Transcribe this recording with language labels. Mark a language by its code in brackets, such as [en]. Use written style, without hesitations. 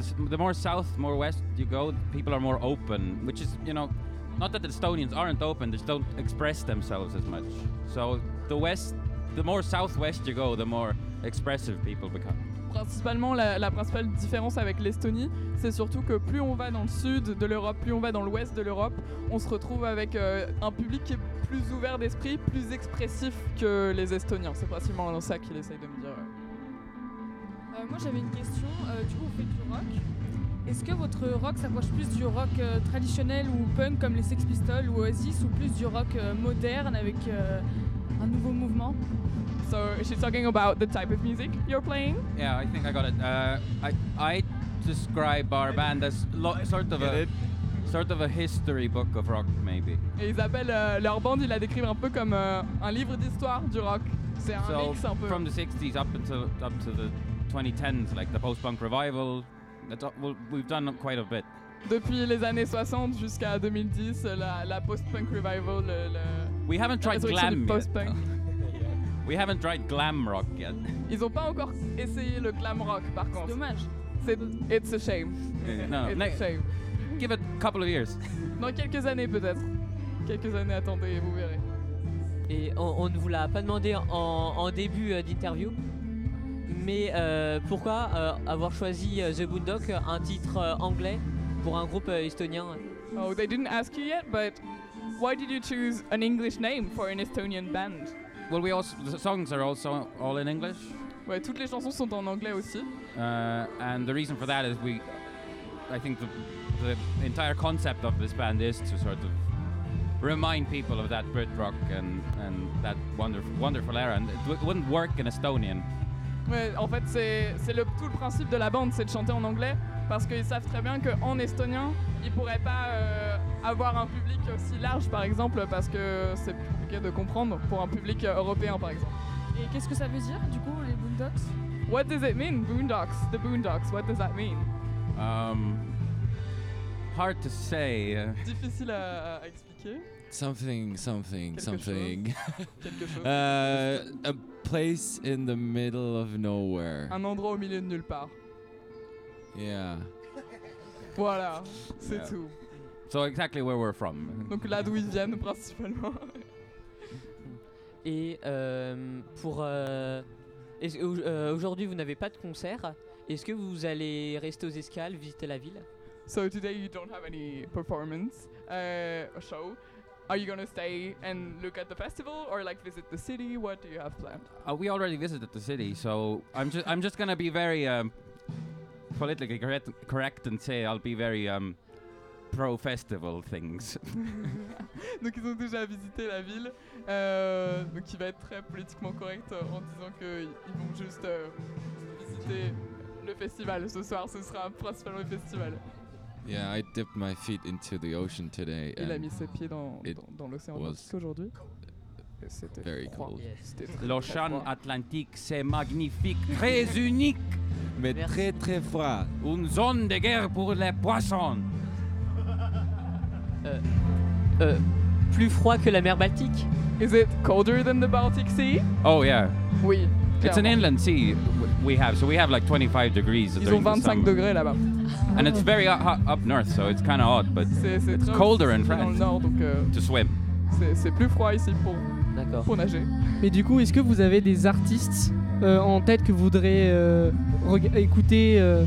[en] The more south, more west you go, people are more open, which is, you know, not that the Estonians aren't open, they just don't express themselves as much. So the west, the more southwest you go, the more expressive people become. [fr] Principalement, la principale différence avec l'Estonie, c'est surtout que plus on va dans le sud de l'Europe, plus on va dans l'ouest de l'Europe, on se retrouve avec un public qui est plus ouvert d'esprit, plus expressif que les Estoniens. C'est principalement ça qu'il essaye de me dire. Moi, j'avais une question. Du coup, vous faites du rock. Est-ce que votre rock s'approche plus du rock traditionnel ou punk comme les Sex Pistols ou Oasis, ou plus du rock moderne avec un nouveau mouvement? [en] So she's talking about the type of music you're playing. Yeah, I think I got it. I describe our band as sort of a history book of rock, maybe. [fr] Et Isabelle, leur bande, il la décrit un peu comme un livre d'histoire du rock. C'est un mix un peu. [en] From the 60s up to the 2010s, like the post-punk revival. We've done quite a bit. [fr] Depuis les années 60 jusqu'à 2010, la post-punk revival. [en] We haven't tried glam yet. We haven't tried glam rock yet. [fr] Ils ont pas encore essayé le glam rock, par contre. C'est dommage. [en] It's a shame. No, it's a shame. Give it a couple of years. [fr] Dans quelques années, peut-être. Quelques années, attendez, vous verrez. Et on ne vous l'a pas demandé en début d'interview, mais pourquoi avoir choisi The Boondock, un titre anglais, pour un groupe estonien? [en] Oh, they didn't ask you yet, but why did you choose an English name for an Estonian band? Well, the songs are also all in English. [fr] Ouais, toutes les chansons sont en anglais aussi. [en] And the reason for that is I think the entire concept of this band is to sort of remind people of that Brit rock and that wonderful era. And it wouldn't work in Estonian. [fr] Ouais, en fait, c'est tout le principe de la bande, c'est de chanter en anglais, parce qu'ils savent très bien qu'en estonien, ils pourraient pas avoir un public aussi large, par exemple, parce que c'est plus compliqué de comprendre pour un public européen, par exemple. Et qu'est-ce que ça veut dire, du coup, les Boondocks? [en] What does it mean, Boondocks? The Boondocks, what does that mean? Hard to say. [fr] Difficile à expliquer. [en] Something. [fr] Quelque chose. [en] A place in the middle of nowhere. [fr] Un endroit au milieu de nulle part. [en] Yeah. [fr] Voilà, c'est tout. [en] So exactly where we're from. [fr] Donc là d'où ils viennent principalement. Et pour aujourd'hui vous n'avez pas de concert. Est-ce que vous allez rester aux Escales, visiter la ville? [en] So today you don't have any performance, show. Are you going to stay and look at the festival or like visit the city? What do you have planned? We already visited the city, so I'm just going to be very politically correct and say I'll be very pro festival things. [fr] Donc ils ont déjà visité la ville. Donc il va être très politiquement correct en disant que ils vont juste visiter le festival ce soir, ce sera principalement le festival. [en] Yeah, I dipped my feet into the ocean today. [fr] Il a mis ses pieds dans l'océan Atlantique aujourd'hui. C'était [en] very [fr] froid. [en] Cold. [fr] L'océan Atlantique, c'est magnifique, très unique, mais merci. Très très froid. Une zone de guerre pour les poissons. Plus froid que la mer Baltique. [en] Is it colder than the Baltic Sea? Oh yeah. [fr] Oui. [en] It's an inland sea we have, so we have like 25 degrees. [fr] Ils ont 25 degrés là-bas. [en] And it's very up north, so it's kind of odd, but it's colder in France to swim. [fr] C'est plus froid ici pour, d'accord, pour nager. Mais du coup, est-ce que vous avez des artistes en tête que vous voudrez écouter